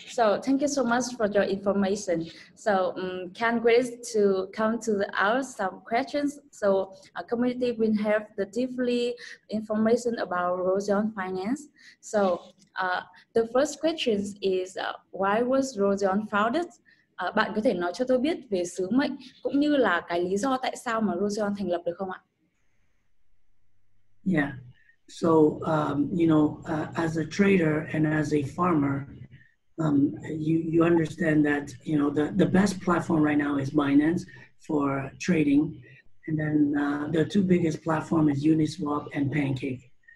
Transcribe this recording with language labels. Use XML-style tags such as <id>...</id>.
<en>So thank you so much for your information. So can Grace to come to the hour some questions. So our community will have the deeply information about Roseon Finance. So the first question is, why was Roseon founded?</en> <vi>Bạn có thể nói cho tôi biết về sứ mệnh cũng như là cái lý do tại sao mà Roseon thành lập được không ạ?</vi> <en>Yeah. So, you know, as a trader and as a farmer, you understand that, you know, the best platform right now is Binance for trading. And then the two biggest platforms is Uniswap and Pancake.</en>